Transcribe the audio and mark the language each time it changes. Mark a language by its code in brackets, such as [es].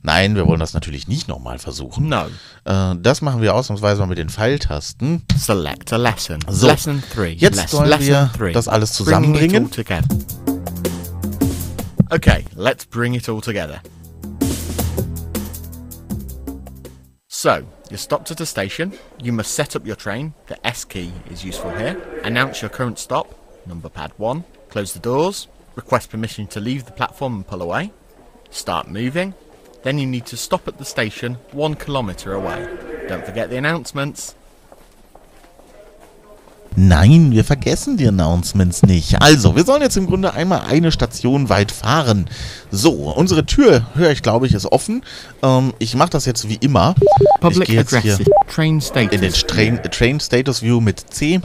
[de] Nein, wir wollen das natürlich nicht nochmal versuchen. [en] No. [de] Das machen wir ausnahmsweise mal mit den Pfeiltasten. [en] Select a lesson. So, lesson 3. [de] Jetzt sollen wir das alles zusammenbringen. [en] Bring it all together. Okay, let's bring it all together. So, you stopped at a station. You must set up your train. The S key is useful here. Announce your current stop. Number pad 1. Close the doors. Request permission to leave the platform and pull away. Start moving. Then you need to stop at the station 1 kilometer away. Don't forget the announcements. [de] Nein, wir vergessen die Announcements nicht. Also, wir sollen jetzt im Grunde einmal eine Station weit fahren. So, unsere Tür, höre ich, glaube ich, ist offen. Ich mache das jetzt wie immer. [en] Public [de] ich gehe jetzt hier [en] Train Status [de] in den Train Status View mit C.